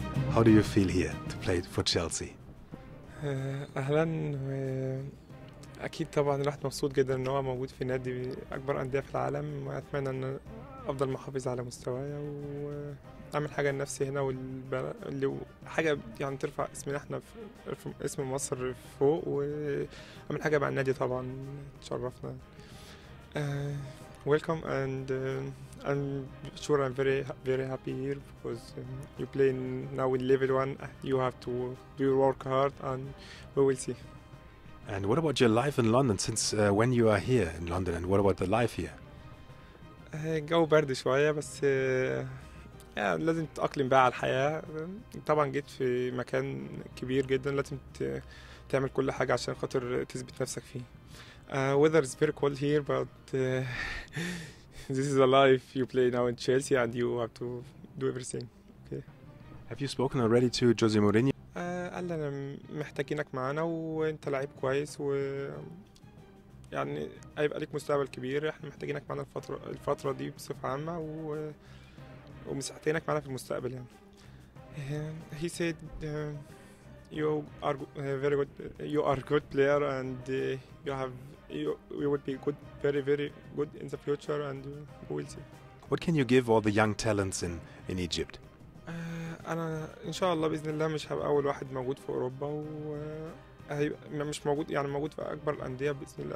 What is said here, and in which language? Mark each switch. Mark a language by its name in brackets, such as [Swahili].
[English] How do you feel here to play for Chelsea? [Arabic] اهلا. اكيد طبعا الواحد مبسوط جدا ان هو موجود في نادي اكبر انديه في العالم، واتمنى ان افضل محافظ على مستواي واعمل حاجه لنفسي هنا واللي حاجه يعني ترفع اسمنا احنا في اسم مصر فوق، واعمل حاجه مع النادي طبعا تشرفنا. [English] Welcome, and I'm sure I'm very very happy here because you play now in level one. You have to do work hard, and we will see. And what about your life in London? Since when you are here in London, and what about the life here? [Arabic] الجو برد شوية بس لازم تتأقلم بقى على الحياة. طبعا جيت في مكان كبير جدا، لازم تعمل كل حاجة عشان خاطر تثبت نفسك فيه. [English] Weather is very cold here, but this is a life. You play now in Chelsea, and you have to do everything. Okay. Have you spoken already to Jose Mourinho? [Arabic] قال لنا محتاجينك معانا وانت لعيب كويس و يعني هيبقى ليك مستقبل كبير، احنا محتاجينك معانا الفترة دي بصفة عامة ومساعدتينك معانا في المستقبل يعني. [English] He said you are good player and you would be good very very good in the future and we will see. What can you give all the young talents in Egypt? [Arabic] انا ان شاء الله باذن الله مش هبقى اول واحد موجود في اوروبا، و مش موجود يعني موجود في اكبر الانديه باذن الله.